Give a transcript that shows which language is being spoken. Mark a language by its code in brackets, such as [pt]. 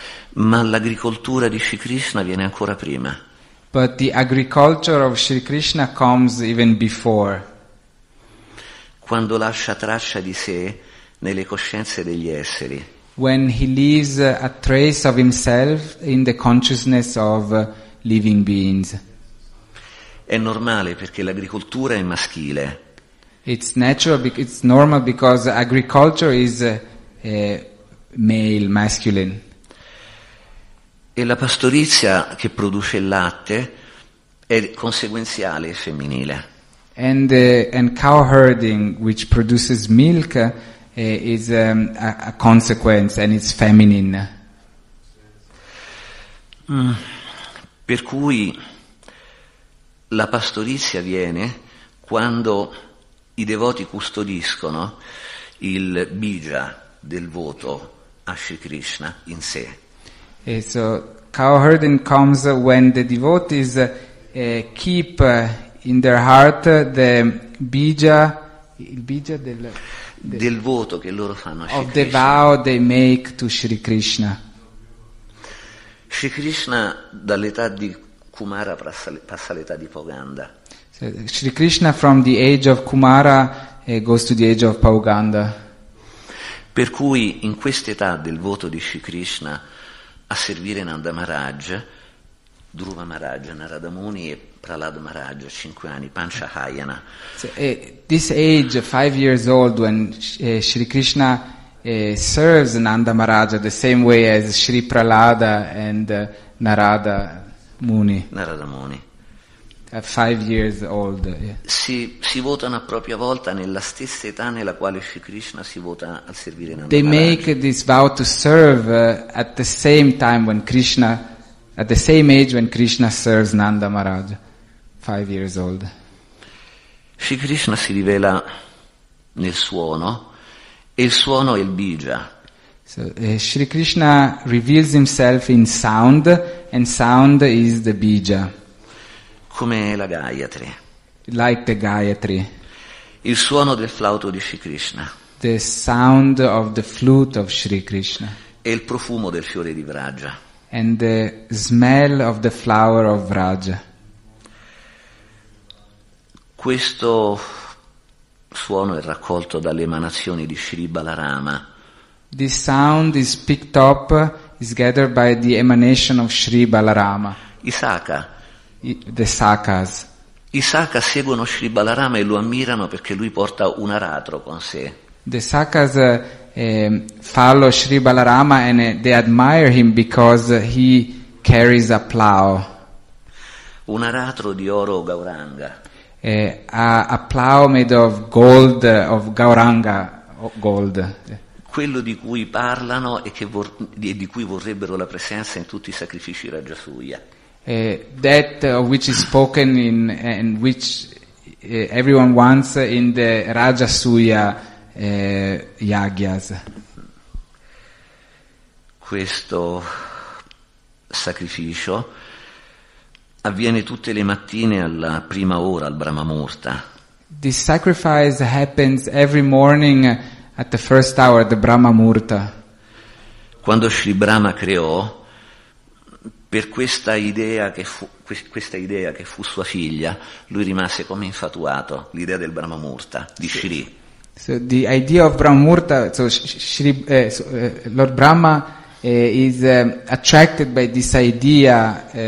[it] Ma l'agricoltura di Shri Krishna viene ancora prima. [en] But the agriculture of Shri Krishna comes even before. [it] Quando lascia traccia di sé nelle coscienze degli esseri. [en] When he leaves a trace of himself in the consciousness of living beings. [it] È normale perché l'agricoltura è maschile. [en] It's natural, it's normal because agriculture is male, masculine. [it] E la pastorizia che produce il latte è conseguenziale e femminile. [en] And cow herding, which produces milk, is a consequence and it's feminine. [it] Per cui la pastorizia viene quando i devoti custodiscono il bija del voto a Shri Krishna in sé. [en] So cow herding comes when the devotees keep in their heart the bija, [it] il bija del voto che loro fanno a Shri [en] of Krishna. The vow they make to Shri Krishna. [it] Shri Krishna dall'età di Kumara passa l'età di Pauganda. [en] So, Shri Krishna from the age of Kumara goes to the age of Pauganda. [it] Per cui in quest'età del voto di Shri Krishna a servire Nanda Maharaj, Dhruva Maharaj, Narada Muni e Prahlad Maharaj, 5 anni, Pancha Hayana. [en] So, this age, 5 years old, when Shri Krishna serves Nanda Maharaj the same way as Shri Prahlada and Narada Muni. Narada Muni. At 5 years old. Yeah. [it] Si votano a propria volta nella stessa età nella quale Shri Krishna si vota al servire Nanda. [en] They make this vow to serve at the same time when Krishna, at the same age when Krishna serves Nanda Maharaj, 5 years old. [it] Shri Krishna si rivela nel suono, e il suono è il bija. [en] So Shri Krishna reveals himself in sound, and sound is the bija. [it] Come la Gayatri. [en] Like the Gayatri. [it] Il suono del flauto di Shri Krishna. [en] The sound of the flute of Shri Krishna. [it] E il profumo del fiore di Vraja. [en] And the smell of the flower of Vraja. [it] Questo suono è raccolto dalle emanazioni di Shri Balarama. [en] This sound is picked up, is gathered by the emanation of Shri Balarama. [it] Isaka. [en] The Sakas. [it] Isaka seguono Shri Balarama e lo ammirano perché lui porta un aratro con sé. [en] The Sakas follow Shri Balarama and they admire him because he carries a plow. [it] Un aratro di oro Gauranga. [en] A plow made of gold, of Gauranga gold. [it] Quello di cui parlano e di cui vorrebbero la presenza in tutti i sacrifici Rajasuya. [en] That of which is spoken in and which everyone wants in the Rajasuya Yagyas. [it] Questo sacrificio avviene tutte le mattine alla prima ora al Brahma Murta. [en] This sacrifice happens every morning at the first hour at the Brahma Murta. [it] Quando Shri Brahma creò per questa idea che fu sua figlia, lui rimase come infatuato, l'idea del Brahma Murta di Shri. [en] So the idea of Brahma Murta, so Shri Lord Brahma is attracted by this idea